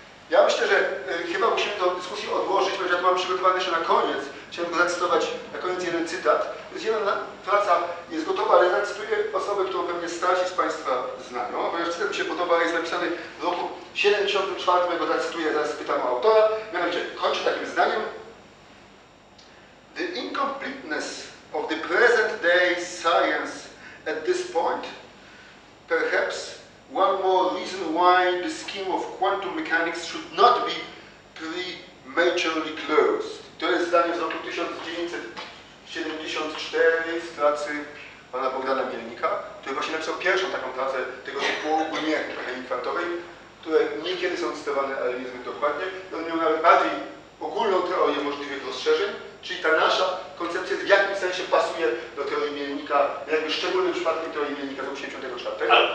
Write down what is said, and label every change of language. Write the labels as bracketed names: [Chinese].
[Polish] Ja myślę, że chyba musimy tę dyskusję odłożyć, ponieważ ja to mam przygotowane jeszcze na koniec. Chciałem go zacytować na koniec jeden cytat. Jest jedna praca, jest gotowa, ale zacytuję osobę, którą pewnie starsi z Państwa znają, ponieważ cytat mi się podoba, jest napisany w roku 74, ja go zacytuję, zaraz pytam o autora. Mianowicie, kończę takim zdaniem. [English] The incompleteness of the present day science at this point, perhaps one more reason why the scheme of quantum mechanics should not be prematurely closed. [Polish] To jest zdanie z roku 1974 z pracy pana Bogdana Mielnika, który właśnie napisał pierwszą taką pracę tego typu ogólnie mechaniki kwantowej, które niekiedy są cytowane, ale nie zbyt dokładnie. On miał nawet bardziej ogólną teorię możliwych rozszerzeń, czyli ta nasza koncepcja w jakimś sensie pasuje do teorii Mielnika, jakby szczególnym przypadkiem teorii Mielnika z 1984.